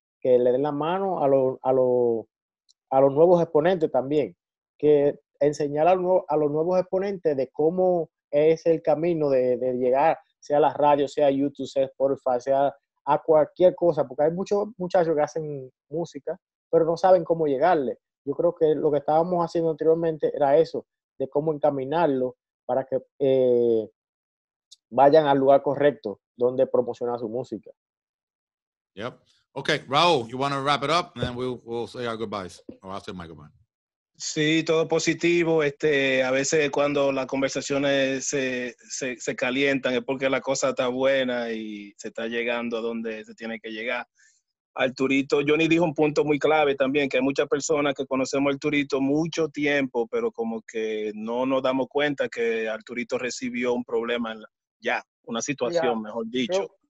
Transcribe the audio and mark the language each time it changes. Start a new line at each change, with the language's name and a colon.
Spanish: Que le den la mano a los nuevos exponentes también, que enseñar a los nuevos exponentes de cómo es el camino de llegar, sea a las radios, sea a YouTube, sea a Spotify, sea a cualquier cosa, porque hay muchos muchachos que hacen música, pero no saben cómo llegarle. Yo creo que lo que estábamos haciendo anteriormente era eso, de cómo encaminarlo para que vayan al lugar correcto donde promocionar su música.
English: Yep. Okay, Raúl, you want to wrap it up, and then we'll say our goodbyes, or I'll say my goodbye.
Spanish: Sí, todo positivo. A veces cuando las conversaciones se calientan es porque la cosa está buena y se está llegando a donde se tiene que llegar. Arturito, Johnny dijo un punto muy clave también, que hay muchas personas que conocemos a Arturito mucho tiempo, pero como que no nos damos cuenta que Arturito recibió un problema una situación, mejor dicho.